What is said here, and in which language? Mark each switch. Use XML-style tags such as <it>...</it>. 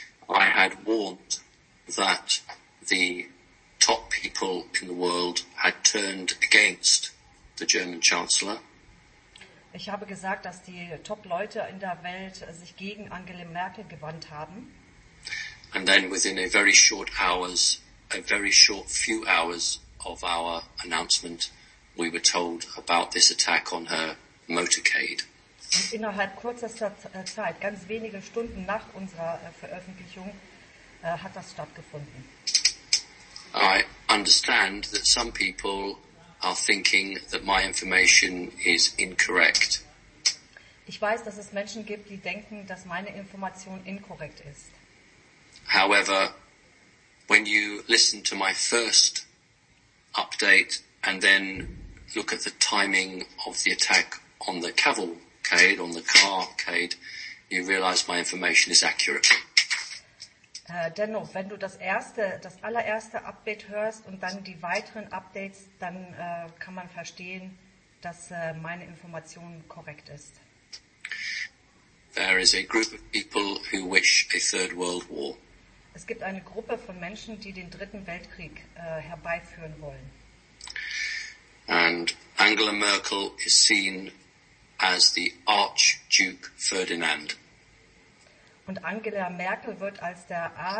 <en>I had warned that the top people in the world had turned against the German Chancellor.</en> <de>Ich habe gesagt, dass die Top-Leute in der Welt sich gegen Angela Merkel gewandt haben.</de> <en>And then within a very short few hours of our announcement, we were told about this attack on her motorcade.</en> <de>Und innerhalb kurzer Zeit, ganz wenige Stunden nach unserer Veröffentlichung, hat das stattgefunden.</de> <en>I understand that some people are thinking that my information is incorrect.</en> <de>Ich weiß, dass es Menschen gibt, die denken, dass meine Information inkorrekt ist.</de> <en>However, when you listen to my first update and then look at the timing of the attack on the cavalcade, on the carcade, you realize my information is accurate.</en> <de>Dennoch, wenn du das allererste Update hörst und dann die weiteren Updates, dann kann man verstehen, dass meine Information korrekt ist.</de> <en>There is a group of people who wish a third world war.</en> <de>Es gibt eine Gruppe von Menschen, die den dritten Weltkrieg herbeiführen wollen.</de> <en>And Angela Merkel is seen as the Archduke Ferdinand.</en> <de>Und Angela Merkel wird als der</de>